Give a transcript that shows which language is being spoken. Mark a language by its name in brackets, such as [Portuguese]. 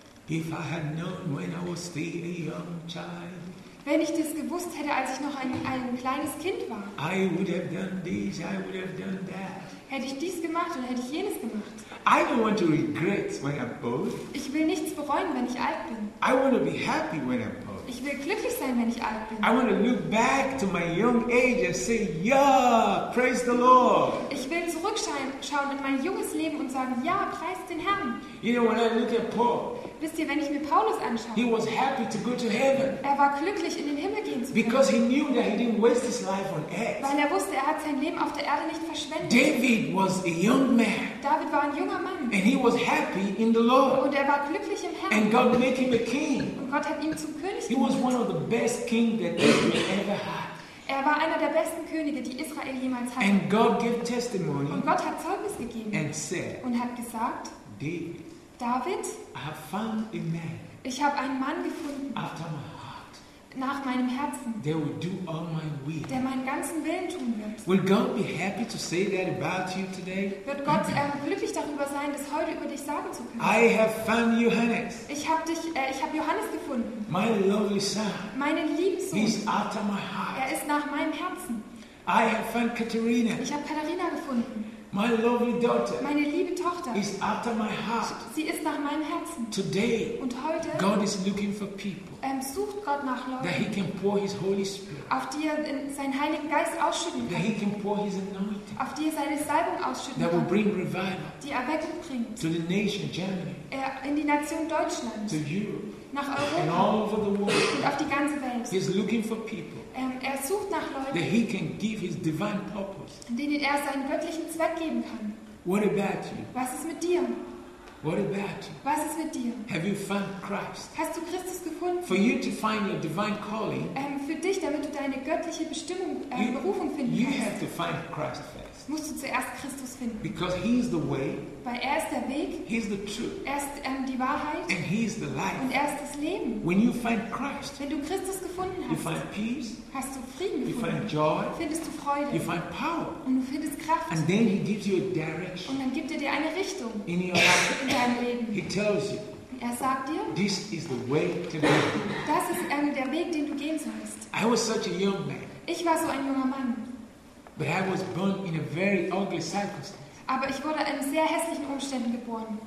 [English] if I had known when I was still a young child, [German] wenn ich das gewusst hätte, als ich noch ein kleines Kind war, [English] I would have done this, I would have done that. [German] Hätte ich dies gemacht oder hätte ich jenes gemacht? [English] I don't want to regret when I'm old. [German] Ich will nichts bereuen, wenn ich alt bin. [English] I want to be happy when I'm old. [German] Ich will glücklich sein, wenn ich alt bin. [English] I want to look back to my young age and say, yeah, praise the Lord. [German] Ich will zurückschauen in mein junges Leben und sagen, ja, preist den Herrn. [English] You know, when I look at Paul, [German] wisst ihr, wenn ich mir Paulus anschaue, [English] he was happy to go to heaven. [German] Er war glücklich, in den Himmel gehen zu können. [English] Because he knew that he didn't waste his life on earth. [German] Weil er wusste, er hat sein Leben auf der Erde nicht verschwendet. [English] David was a young man. [German] David war ein junger Mann. [English] And he was happy in the Lord. [German] Und er war glücklich im Herrn. [English] And God made him a king. [German] Und Gott hat ihn zum König gemacht. [English] He was one of the best kings that David ever had. [German] Er war einer der besten Könige, die Israel jemals hatte. [English] And God gave testimony. [German] Und Gott hat Zeugnis gegeben. [English] And said. [German] Und hat gesagt. [English] David, I have found a man. [German] Ich habe einen Mann gefunden. [English] After my heart. [German] Nach meinem Herzen. [English] That will do all my will. [German] Der meinen ganzen Willen tun wird. [English] Will God be happy to say that about you today? [German] Wird Gott glücklich darüber sein, das heute über dich sagen zu können? [English] I have found Johannes. [German] Ich habe Johannes gefunden. [English] My lovely son. [German] Meinen lieben Sohn. [English] He's after my heart. [German] Er ist nach meinem Herzen. [English] I have found Katharina. [German] Ich habe Katharina gefunden. [English] My lovely daughter, [German] meine liebe Tochter, [English] is after my heart. [German] Sie ist nach meinem Herzen. [English] Today, [German] und heute, [English] God is looking for people. [German] Sucht Gott nach Leuten, [English] that He can pour His Holy Spirit. [German] Auf die er seinen Heiligen Geist ausschütten kann. [English] That He can pour His anointing. [German] Auf die er seine Salbung ausschütten kann. [English] That will bring revival. [German] Die Erweckung bringt. [English] To the nation Germany. [German] In die Nation Deutschland. [English] To Europe. [German] Nach Europa. [English] And all over the world. [German] Und auf die ganze Welt. [English] He is looking for people. [German] Sucht nach Leuten, [English] that he can give his divine purpose. [German] Denen er seinen göttlichen Zweck geben kann. [English] What about you? [German] Was ist mit dir? [English] What about you? [German] Was ist mit dir? [English] Have you found Christ? [German] Hast du Christus gefunden? [English] For you to find your divine calling. [German] Für dich, damit du deine göttliche Bestimmung, Berufung finden [English] you [German] kannst. [English] You have to find Christ first. [German] Musst du zuerst Christus finden. [English] Because he is the way. [German] Weil er ist der Weg. [English] He is the truth. [German] Er ist die Wahrheit. [English] And he is the life. [German] Und er ist das Leben. [English] When you find Christ. [German] Wenn du Christus gefunden hast. [English] You find peace. [German] Hast du Frieden gefunden. [English] You find joy. [German] Findest du Freude. [English] You find power. [German] Und du findest Kraft. [English] And then he gives you a direction. [German] Und dann gibt er dir eine Richtung. [English] In your life. [German] In deinem Leben. [English] He tells you. [German] Er sagt dir. [English] This is the way to go. [German] Das ist der Weg, den du gehen sollst. [English] I was such a young man. [German] Ich war so ein junger Mann. [English] But I was born in a very ugly circumstance. [German] Aber ich wurde in sehr hässlichen Umständen geboren.